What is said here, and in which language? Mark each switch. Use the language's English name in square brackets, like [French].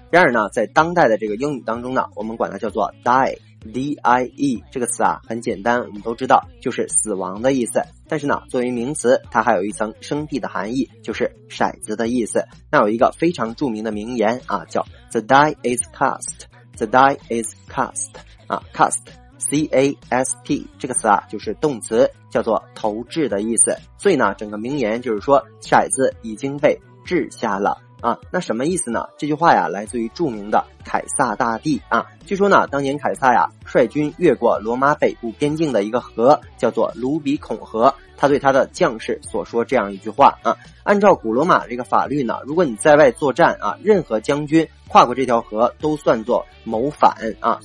[Chinese] 然而呢，在当代的这个英语当中呢，我们管它叫做 die D-I-E 这个词啊，很简单，我们都知道就是死亡的意思。但是呢，作为名词，它还有一层生僻的含义，就是骰子的意思。那有一个非常著名的名言啊，叫 [English] The die is cast。 The die is cast [Chinese] 啊 ，cast C A S T 这个词啊，就是动词，叫做投掷的意思。所以呢，整个名言就是说，骰子已经被掷下了啊。那什么意思呢？这句话呀，来自于著名的凯撒大帝啊。据说呢，当年凯撒呀，率军越过罗马北部边境的一个河，叫做卢比孔河。他对他的将士所说这样一句话啊，按照古罗马这个法律呢，如果你在外作战啊，任何将军跨过这条河都算作谋反啊。